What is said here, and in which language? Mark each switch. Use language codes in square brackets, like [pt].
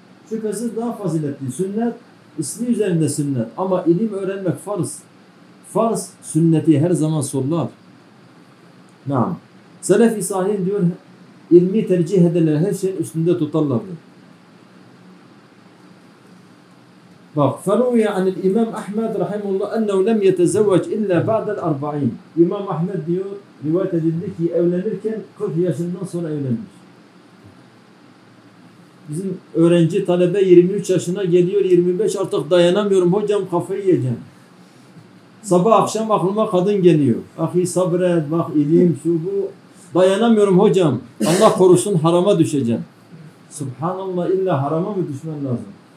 [tr] Şüphesiz daha faziletli. Sünnet, ismi üzerinde sünnet. Ama ilim öğrenmek farz. Farz sünneti her zaman sorular. Naam. Selef-i Salih diyor, ilmi tercih ederler, her şeyin üstünde tutarlar diyor. Bak, [ar] فَرُوْيَ عَنِ الْاِمَامِ اَحْمَدِ رَحِمُ اللّٰهِ اَنَّوْ لَمْ يَتَزَوَّجْ اِلَّا بَعْدَ الْاَرْبَعِينَ [tr] İmam Ahmed diyor, rivayet edildi ki evlenirken 40 yaşından sonra evlenmiş. Bizim öğrenci talebe 23 yaşına geliyor, 25 artık dayanamıyorum, hocam kafayı yiyeceğim. Sabah akşam aklıma kadın geliyor. Ahi sabret, bak ilim, şu bu. Dayanamıyorum hocam, Allah korusun harama düşeceğim. Subhanallah, illa harama mı düşmen lazım?